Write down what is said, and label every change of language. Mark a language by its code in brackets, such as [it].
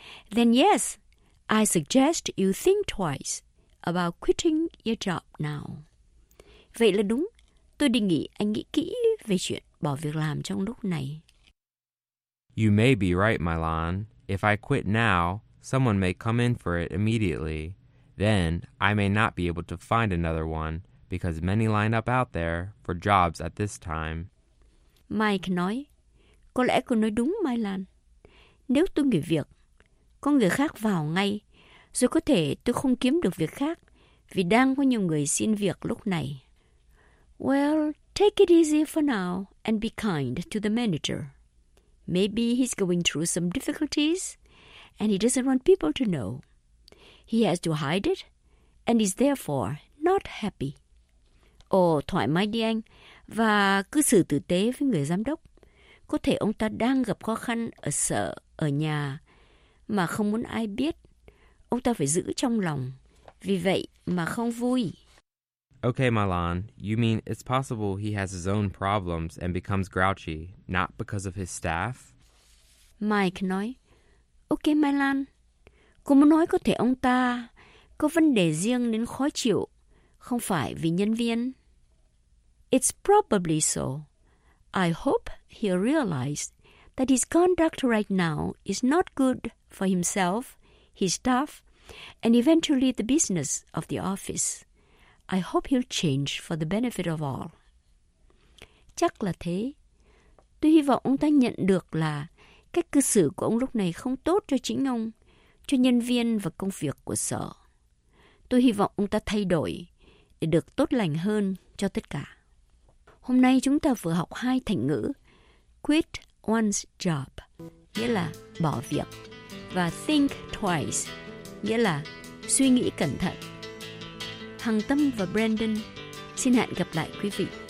[en] Then yes, I suggest you think twice about quitting your job now. [vi] Vậy là đúng, tôi đề nghị anh nghĩ kỹ về chuyện bỏ việc làm trong lúc này. [en] You may be right, Milan. If I quit now, someone may come in for it immediately. Then I may not be able to find another one because many line up out there for jobs at this time. [vi] Mike nói, có lẽ cô nói đúng, Milan. Nếu tôi nghỉ việc, có người khác vào ngay, rồi có thể tôi không kiếm được việc khác vì đang có nhiều người xin việc lúc này. [en] Well, take it easy for now and be kind to the manager. Maybe he's going through some difficulties and he doesn't want people to know. He has to hide it and is therefore not happy. [vi] Thoải mái đi anh và cứ xử tử tế với người giám đốc. Có thể ông ta đang gặp khó khăn ở sở, ở nhà mà không muốn ai biết. Ông ta phải giữ trong lòng, vì vậy mà không vui. [en] Okay, Milan, you mean it's possible he has his own problems and becomes grouchy, not because of his staff? [vi] Mike nói, okay, Milan, cô muốn nói có thể ông ta có vấn đề riêng nên khó chịu, không phải vì nhân viên. [en] It's probably so. I hope he'll realize that his conduct right now is not good for himself, his staff, and eventually the business of the office. I hope he'll change for the benefit of all. [vi] Chắc là thế. Tôi hy vọng ông ta nhận được là cách cư xử của ông lúc này không tốt cho chính ông, cho nhân viên và công việc của sở. Tôi hy vọng ông ta thay đổi để được tốt lành hơn cho tất cả. Hôm nay chúng ta vừa học hai thành ngữ quit one's job, nghĩa là bỏ việc, và think twice, nghĩa là suy nghĩ cẩn thận. Hằng Tâm và Brandon xin hẹn gặp lại quý vị